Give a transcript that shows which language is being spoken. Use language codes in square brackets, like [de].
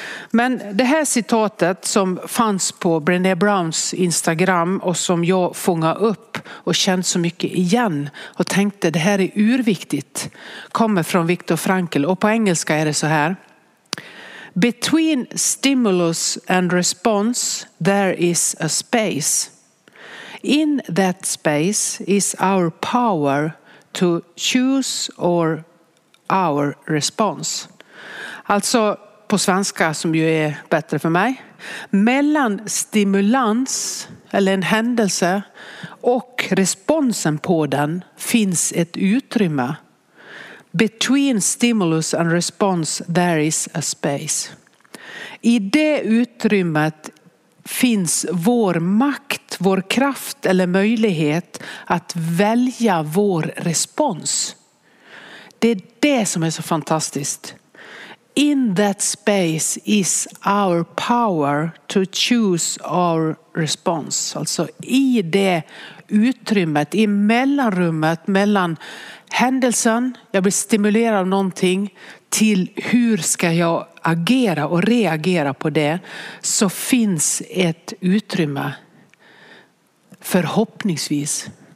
[sv] Men det här citatet som fanns på Brené Browns Instagram och som jag fångade upp och kände så mycket igen och tänkte det här är urviktigt, kommer från Viktor Frankl. [en] Och på engelska är det så här: Between stimulus and response there is a space. In that space is our power to choose or our response. [sv] Alltså på svenska, som ju är bättre för mig. Mellan stimulans eller en händelse och responsen på den finns ett utrymme. [en] Between stimulus and response there is a space. [sv] I det utrymmet finns vår makt, vår kraft eller möjlighet att välja vår respons. Det är det som är så fantastiskt. [en] In that space is our power to choose our response. [sv] Alltså i det utrymmet, i mellanrummet mellan händelsen, jag blir stimulerad av någonting, till hur ska jag agera och reagera på det, så finns ett utrymme, förhoppningsvis.